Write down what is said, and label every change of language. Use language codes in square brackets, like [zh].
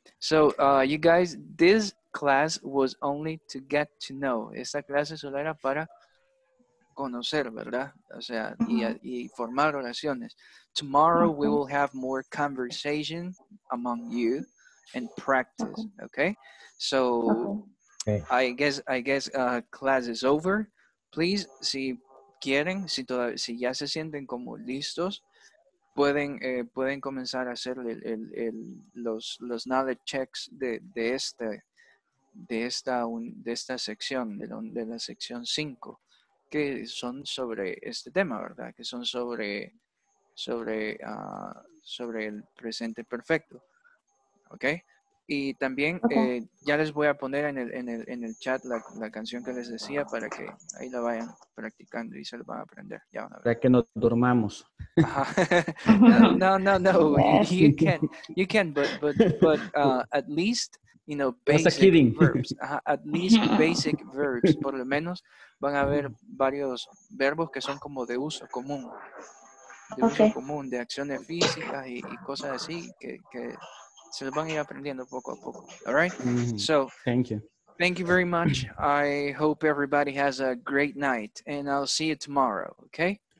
[en] So, you guys, this class was only to get to know. [es] Esta clase solo era para conocer, ¿verdad? O sea, y formar relaciones. [en] Tomorrow we will have more conversation among you and practice, okay? So, okay. I guess class is over. [es] Please, si quieren, si ya se sienten como listos, pueden comenzar a hacer los knowledge checks de esta sección, de la sección 5, que son sobre este tema, ¿verdad? Que son sobre el presente perfecto. ¿Okay? Y también ya les voy a poner en el chat la canción que les decía para que ahí la vayan practicando y se la van a aprender. Ya van a ver. Para que nos durmamos. No. [en] You can, but at least, you know, basic verbs. At least basic verbs. [es] Por lo menos van a haber varios verbos que son como de uso común. De uso común, de acciones físicas y cosas así que se van a ir aprendiendo poco a poco. [en] All right? So, thank you very much. I hope everybody has a great night and I'll see you tomorrow, okay?